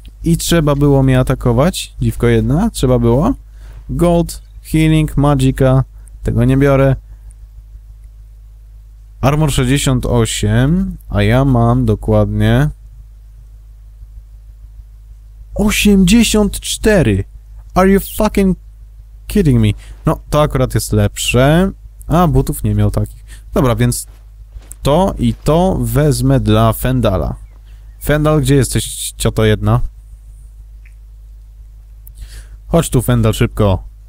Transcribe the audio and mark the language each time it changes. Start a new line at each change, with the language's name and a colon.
Polish: I trzeba było mnie atakować, dziwko jedna, trzeba było. Gold, healing, magica, tego nie biorę. Armor 68, a ja mam dokładnie... 84!
English: Are you fucking kidding me?
Polish: No, to akurat jest lepsze. A, butów nie miał takich. Dobra, więc to i to wezmę dla Fendala. Fendal, gdzie jesteś, cioto jedna? Chodź tu, Fendal, szybko.